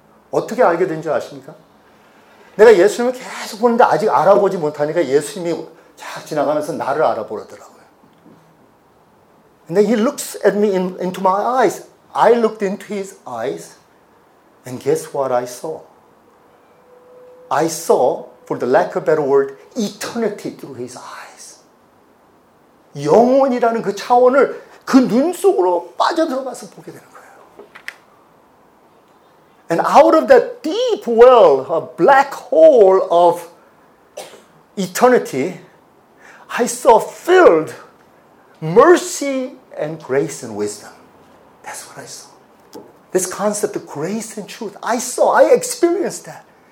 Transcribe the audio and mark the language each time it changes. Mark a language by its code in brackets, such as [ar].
[ko] 어떻게 알게 된 줄 아십니까? 내가 예수님을 계속 보는데 아직 알아보지 못하니까 예수님이 쫙 지나가면서 나를 알아보더라고요. [en] And then he looks at me into my eyes. I looked into his eyes and guess what I saw? I saw, for the lack of a better word, eternity through his eyes. [ko] 영원이라는 그 차원을 그 눈 속으로 빠져들어가서 보게 되는 거예요. [en] And out of that deep well, a black hole of eternity, I saw filled mercy and grace and wisdom. That's what I saw. This concept of grace and truth, I saw, I experienced that.